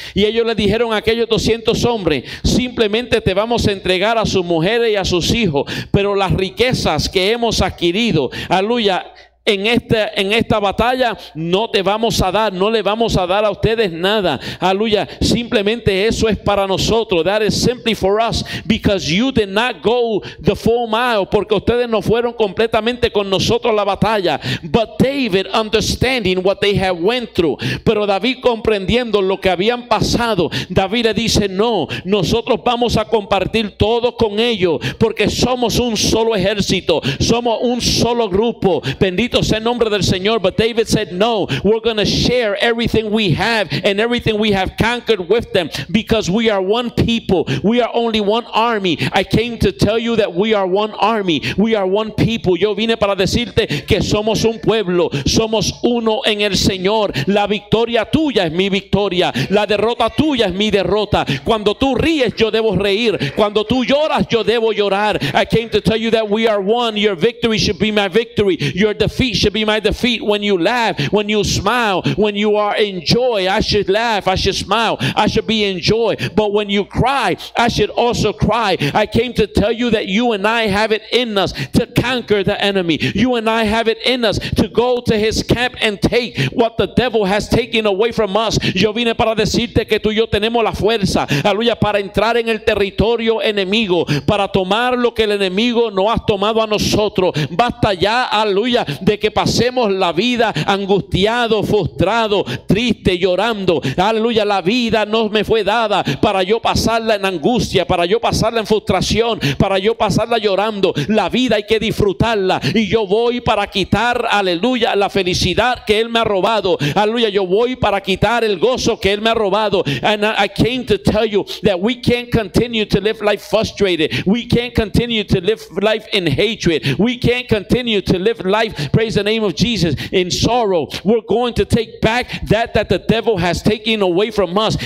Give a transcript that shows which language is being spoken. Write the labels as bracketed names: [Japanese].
[Spanish] Y ellos le dijeron a aquellos 200 hombres, simplemente te vamos a entregar a sus mujeres y a sus hijos, pero las riquezas que hemos adquirido, aleluya, En esta batalla no te vamos a dar, no le vamos a dar a ustedes nada. Aleluya, simplemente eso es para nosotros. [English] That is simply for us, because you did not go the full mile, [Spanish] porque ustedes no fueron completamente con nosotros a la batalla. [English] But David, understanding what they had went through, [Spanish] pero David comprendiendo lo que habían pasado, David le dice, no, nosotros vamos a compartir todo con ellos, porque somos un solo ejército, somos un solo grupo. Bendito benditos en nombre del Señor. [English] But David said, no, we're going to share everything we have and everything we have conquered with them, because we are one people. We are only one army. I came to tell you that we are one army. We are one people. [Spanish] Yo vine para decirte que somos un pueblo. Somos uno en el Señor. La victoria tuya es mi victoria. La derrota tuya es mi derrota. Cuando tú ríes, yo debo reír. Cuando tú lloras, yo debo llorar. [English] I came to tell you that we are one. Your victory should be my victory. Your defeat should be my defeat. When you laugh, when you smile, when you are in joy, I should laugh, I should smile, I should be in joy. But when you cry, I should also cry. I came to tell you that you and I have it in us to conquer the enemy. You and I have it in us to go to his camp and take what the devil has taken away from us. [Spanish] Yo vine para decirte que tú y yo tenemos la fuerza, aleluya, para entrar en el territorio enemigo, para tomar lo que el enemigo no ha tomado a nosotros. Basta ya, aleluya, de que pasemos la vida angustiado, frustrado, triste, llorando. Aleluya, la vida no me fue dada para yo pasarla en angustia, para yo pasarla en frustración, para yo pasarla llorando. La vida hay que disfrutarla, y yo voy para quitar, aleluya, la felicidad que él me ha robado. Aleluya, yo voy para quitar el gozo que él me ha robado. [English] And I came to tell you that we can't continue to live life frustrated. We can't continue to live life in hatred. We can't continue to live life, praise the name of Jesus, in sorrow. We're going to take back that the devil has taken away from us.